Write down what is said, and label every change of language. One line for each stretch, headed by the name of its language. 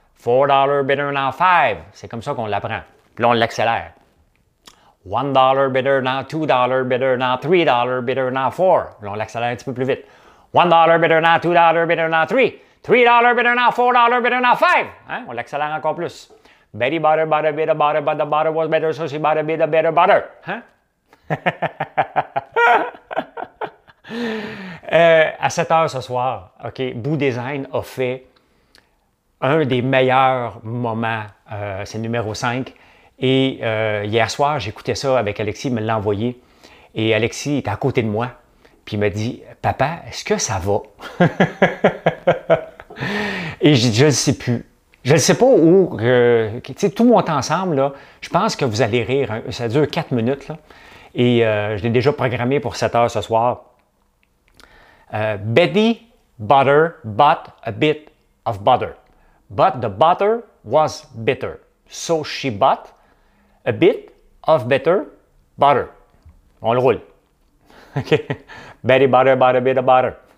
English: $4 bidder now 5.
French: C'est comme ça qu'on l'apprend. Puis là, on l'accélère.
English: $1 bidder now $2 bidder now $3 bidder now 4.
French: Puis là, on l'accélère un petit peu plus vite.
English: $1 bidder now $2 bidder now 3. $3 bidder now $4 bidder now 5.
French: Hein? On l'accélère encore plus.
English: Betty butter, butter, bitter, butter, but the butter was better, so she butter, bitter, better, butter. Hein?
French: À 7 heures ce soir, OK, Boo Design a fait un des meilleurs moments, c'est numéro 5. Et hier soir, j'écoutais ça avec Alexis, il me l'a envoyé. Et Alexis était à côté de moi, puis il m'a dit, « Papa, est-ce que ça va? » Et j'ai dit, « Je ne sais plus. Je ne sais pas où. » Tu sais, tout le monde ensemble, là, je pense que vous allez rire. Hein. Ça dure 4 minutes. Là. Et je l'ai déjà programmé pour 7 heures ce soir.
English: Betty Butter bought a bit of butter. But the butter was bitter. So she bought a bit of bitter butter.
French: On le roule.
English: OK. Betty Butter bought a bit of butter.